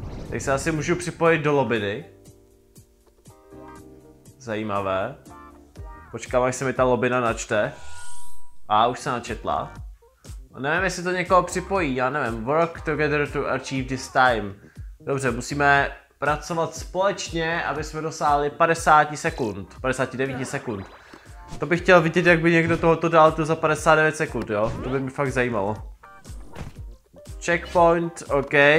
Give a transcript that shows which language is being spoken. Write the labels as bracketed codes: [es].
[cs] Tak se asi můžu připojit do lobiny. Zajímavé. Počkám, až se mi ta lobina načte. A už se načetla. Nevím, jestli to někoho připojí, já nevím. [en] Work together to achieve this time. [cs] Dobře, musíme pracovat společně, aby jsme dosáhli 59 sekund. To bych chtěl vidět, jak by někdo tohoto dal to za 59 sekund, jo? To by mi fakt zajímalo. [en] Checkpoint, OK.